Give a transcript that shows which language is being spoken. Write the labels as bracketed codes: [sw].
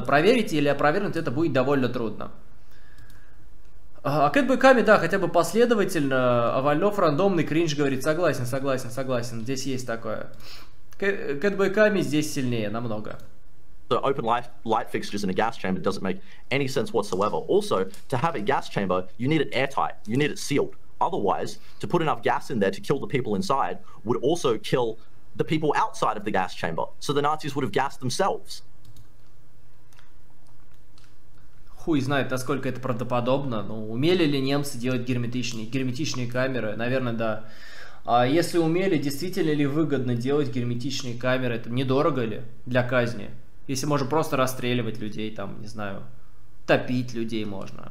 [ru] Проверить или опровергнуть это будет довольно трудно. А кэтбойками, да, хотя бы последовательно. А Вольнов рандомный кринж говорит. Согласен, согласен, согласен. Здесь есть такое. Кэтбойками здесь сильнее намного. [en] The open light fixtures in a gas chamber doesn't make any sense whatsoever. Also, to have a gas chamber, you need it airtight. You need it sealed. Otherwise, to put enough gas in there to kill the people inside would also kill the people outside of the gas chamber. So the Nazis would have gassed themselves. [ru] Хуй знает, насколько это правдоподобно. Ну, умели ли немцы делать герметичные камеры? Наверное, да. А если умели, действительно ли выгодно делать герметичные камеры? Это недорого ли для казни? Если можно просто расстреливать людей, там, не знаю, топить людей можно.